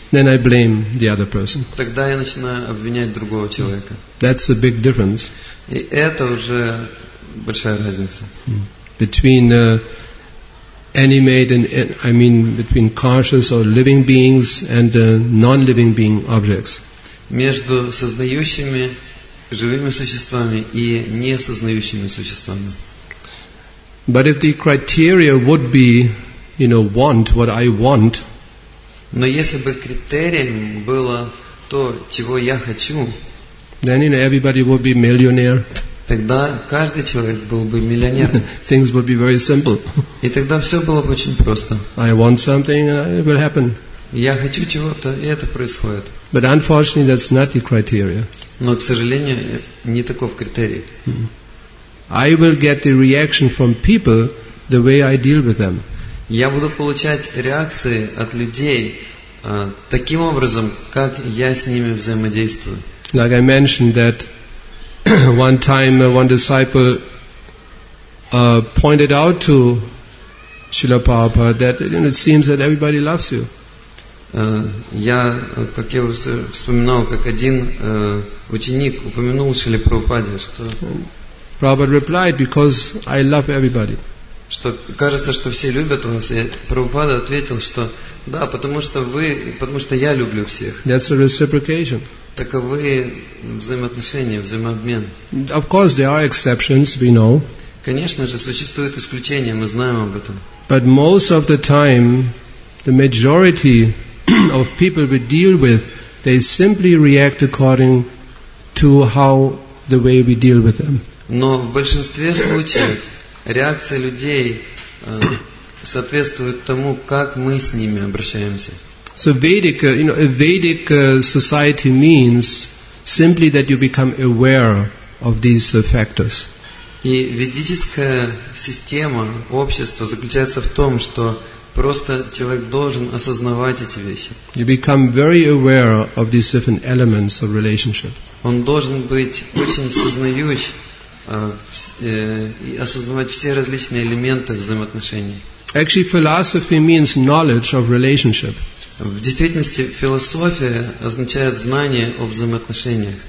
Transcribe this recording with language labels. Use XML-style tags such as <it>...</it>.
<en>then I blame the other person.</en> <ru>Тогда я начинаю обвинять другого человека.</ru> <en>That's a big difference.</en> <ru>И это уже большая разница.</ru> <en>Between animate and I mean between conscious or living beings and non-living being objects.</en> <ru>Между сознающими живыми существами и несознающими существами.</ru> <en>But if the criteria would be, you know, want what I want.</en> <ru>Но если бы критерием было то, чего я хочу,</ru> <en>then, you know, everybody would be millionaire.</en> <ru>Тогда каждый человек был бы миллионером.</ru> <en>Things would be very simple.</en> <ru>И тогда все было бы очень просто.</ru> <en>I want something and it will happen.</en> <ru>Я хочу чего-то, и это происходит.</ru> <en>But unfortunately, that's not the criteria.</en> <ru>Но, к сожалению, не таков критерий.</ru> <en>I will get the reaction from people the way I deal with them.</en> <ru>Я буду получать реакции от людей таким образом, как я с ними взаимодействую.</ru> <en>Like I mentioned that one time one disciple pointed out to Srila Prabhupada that, you know, it seems that everybody loves you.</en> <ru>Я, как я уже вспоминал, как один ученик упомянул Шриле Прабхупаде, что</ru> <en>Prabhupada replied, because I love everybody.</en> <ru>Что кажется, что все любят вас. И Прабхупада ответил, что да, потому что я люблю всех.</ru> <en>That's a reciprocation.</en> <ru>Таковы взаимоотношения, взаимообмен.</ru> <en>Of course, there are exceptions, we know.</en> <ru>Конечно же, существуют исключения, мы знаем об этом.</ru> <en>But most of the time, the majority of people we deal with, they simply react according to how the way we deal with them.</en> <ru>Но в большинстве случаев реакция людей соответствует тому, как мы с ними обращаемся.</ru> <en>So Vedic, you know, a Vedic society means simply that you become aware of these factors.</en> <ru>И ведическая система общества заключается в том, что просто человек должен осознавать эти вещи.</ru> <en>You become very aware of these different elements of relationship.</en> <ru>Он должен быть очень сознающим и осознавать все различные элементы взаимоотношений.</ru> <en>Actually, philosophy means knowledge of relationship.</en> <ru>В действительности, философия означает знание о взаимоотношениях.</ru>